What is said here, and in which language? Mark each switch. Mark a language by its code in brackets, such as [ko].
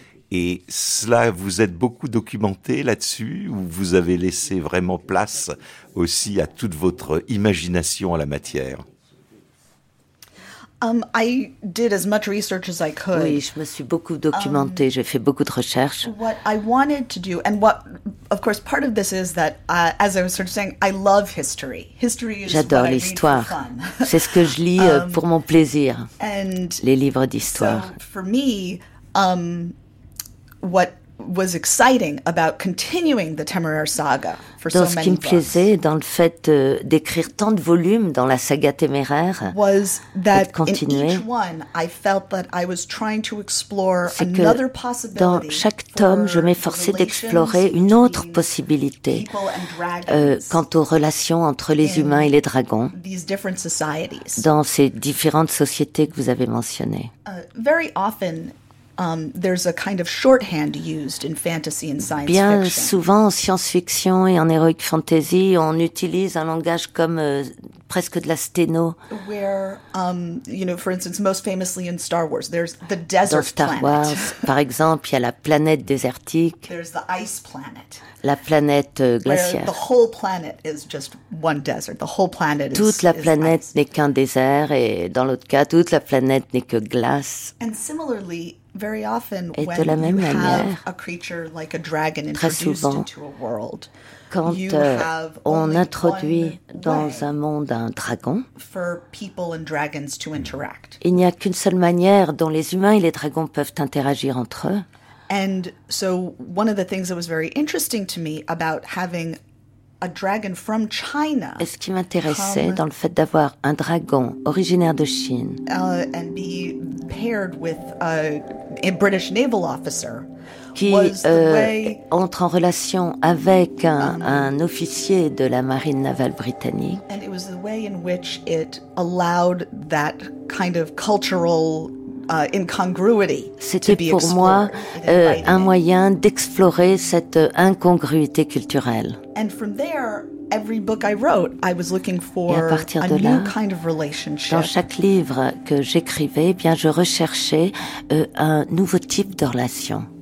[fr] Et cela, vous êtes beaucoup documenté là-dessus, ou vous avez laissé vraiment place aussi à toute votre imagination en la matière? [en] I did as much research as I could. [fr] Oui, je me suis beaucoup documentée, j'ai fait beaucoup de recherches. [en] What I wanted to do, and what, of course, part of this is that, as I was sort of saying, I love history. History is [fr] J'adore l'histoire. C'est ce que je lis pour mon plaisir, les livres d'histoire. [en] So for me, what was exciting about continuing the Téméraire saga for [fr] dans [en] so many [fr] ce qui me plaisait dans le fait d'écrire tant de volumes dans la saga Téméraire [en] was that [fr] et de continuer, [en] in each one I felt that I was trying to explore another possibility. [fr] Dans chaque tome, je m'efforçais d'explorer une autre possibilité quant aux relations entre les humains et les dragons dans ces différentes sociétés que vous avez mentionnées. [en] Very often there's a kind of shorthand used in fantasy and science fiction. [fr] Bien souvent, en science-fiction et en heroic fantasy, on utilise un langage comme presque de la sténo. [en] Where, you know, for instance, most famously in Star Wars, there's the desert planet. [fr] Dans Star Wars, par exemple, il y a la planète désertique. [en] There's the ice planet. [fr] La planète glaciaire. [en] Where the whole planet is just one desert. The whole planet is ice. [fr] Toute la planète n'est qu'un désert, et dans l'autre cas, toute la planète n'est que glace. [en] And similarly, very often, [fr] et de la même manière, [en] a creature like a dragon introduced [fr] très souvent, [en] into a world, [fr] quand on introduit dans un monde un dragon, [en] for people and dragons to interact. [fr] Il n'y a qu'une seule manière dont les humains et les dragons peuvent interagir entre eux. [en] And so one of the things that was very interesting to me about having a dragon from China. [fr] Et ce qui m'intéressait dans le fait d'avoir un dragon originaire de Chine [en] and be paired with a British naval officer [fr] qui entre en relation avec un officier de la marine navale britannique. [en] And it was the way in which it allowed that kind of cultural incongruity. [fr] C'était pour moi un moyen d'explorer cette incongruité culturelle. [en] And from there, every book I wrote, I was looking for a new kind of relationship. [fr] Dans chaque livre que j'écrivais, bien, je recherchais un nouveau type de relation.